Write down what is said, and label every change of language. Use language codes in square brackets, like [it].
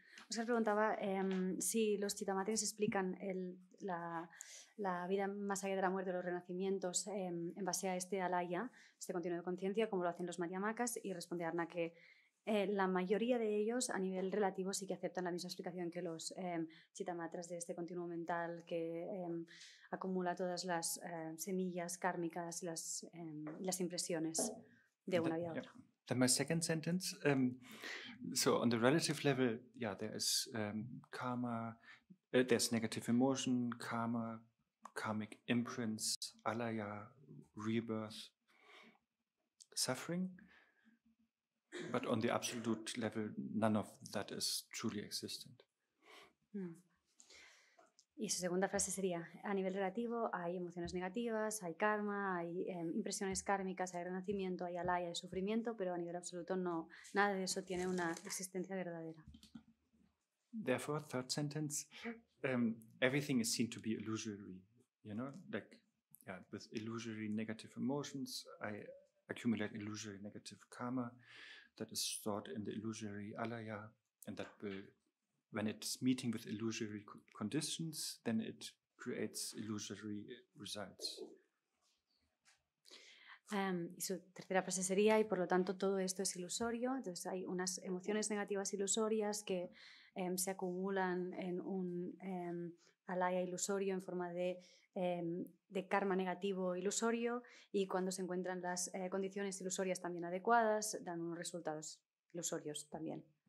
[es] O sea, preguntaba si los chitamatras explican la vida más allá de la muerte, los renacimientos, en base a este alaya, este continuo de conciencia, como lo hacen los mariamacas, y responde Arna que la mayoría de ellos, a nivel relativo, sí que aceptan la misma explicación que los chitamatras, de este continuo mental que acumula todas las semillas kármicas y las impresiones de una vida a otra. [en] Then my second sentence, so on the relative level, yeah, there is karma, there's negative emotion, karma, karmic imprints, alaya, rebirth, suffering. But on the absolute level, none of that is truly existent. Mm. [es] Y su segunda frase sería, a nivel relativo hay emociones negativas, hay karma, hay impresiones kármicas, hay renacimiento, hay alaya, hay sufrimiento, pero a nivel absoluto no, nada de eso tiene una existencia verdadera. [en] Therefore, third sentence, everything is seen to be illusory, you know, like, yeah, with illusory negative emotions, I accumulate illusory negative karma that is stored in the illusory alaya, and that will, when it's meeting with illusory conditions, then it creates illusory results. [es] Y su tercera frase sería, y por lo tanto todo esto es ilusorio, entonces hay unas emociones negativas ilusorias que se acumulan en un alaya ilusorio en forma de karma negativo ilusorio, y cuando se encuentran las condiciones ilusorias también adecuadas, dan unos resultados ilusorios también.